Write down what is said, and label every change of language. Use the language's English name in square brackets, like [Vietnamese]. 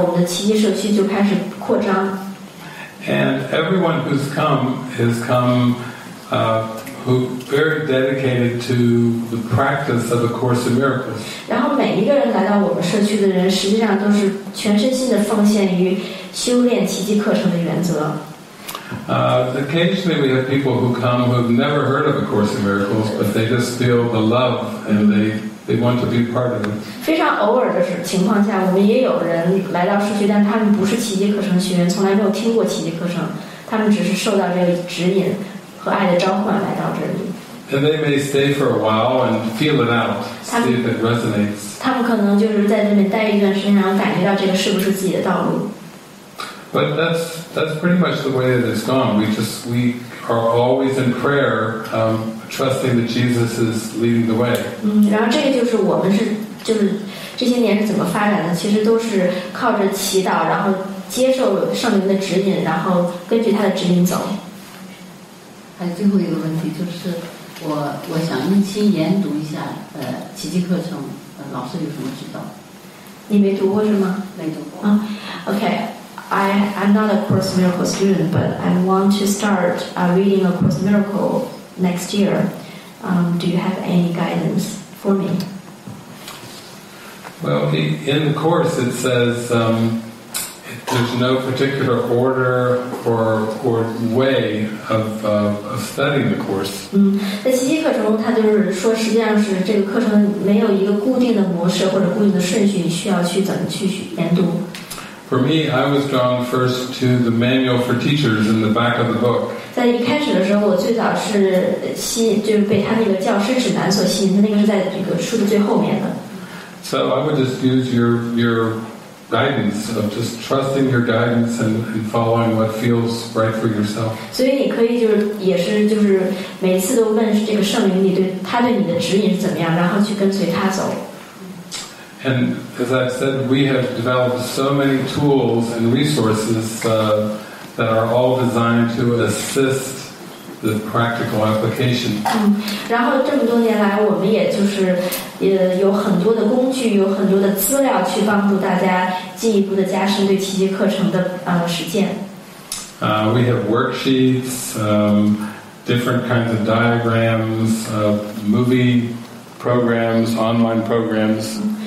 [Chinese] 哪怕我们从一开始就没有过这个愿望，但是不可避免的，我们的奇迹社区就开始扩张。 [English] And everyone who's come has come who very dedicated to the practice of the Course in Miracles. [Chinese] 然后每一个人来到我们社区的人，实际上都是全身心的奉献于修炼奇迹课程的原则。 [English] Occasionally we have people who come who have never heard of the Course in Miracles, but they just feel the love and they want to be part of it. [Chinese] 非常偶尔的情况下，我们也有人来到社区，但他们不是奇迹课程学员，从来没有听过奇迹课程，他们只是受到这个指引和爱的召唤来到这里。 [English] And they may stay for a while and feel it out, see if it resonates. [Chinese] 他们可能就是在这边待一段时间，然后感觉到这个是不是自己的道路。 [English] But that's pretty much the way that it's gone. We are always in prayer, trusting that Jesus is leading the way. [Chinese] 然后这个就是我们是就是这些年是怎么发展的，其实都是靠着祈祷，然后接受圣灵的指引，然后根据他的指引走。还有最后一个问题，就是我想用心研读一下奇迹课程，老师有什么指导？你没读过是吗？没读过。 [English] OK, I'm not a Course Miracle student, but I want to start reading a Course Miracle next year. Do you have any guidance for me? Well, in the course it says there's no particular order or way of studying the course. [Chinese] 在奇迹课程它就是说实际上是这个课程没有一个固定的模式或者固定的顺序需要去怎么去研读。 [English] For me, I was drawn first to the manual for teachers in the back of the book. [Chinese] 在一开始的时候，我最早是吸，就是被他那个教师指南所吸引。他那个是在这个书的最后面的。 [English] So I would just use your guidance of just trusting your guidance and following what feels right for yourself. [Chinese] 所以你可以就是也是就是每次都问这个圣灵，你对他对你的指引是怎么样，然后去跟随他走。 [English] And as I've said, we have developed so many tools and resources that are all designed to assist the practical application. [Chinese] 然后这么多年来，我们也就是也有很多的工具，有很多的资料去帮助大家进一步的加深对奇迹课程的实践。 [English] We have worksheets, different kinds of diagrams, movie programs, online programs.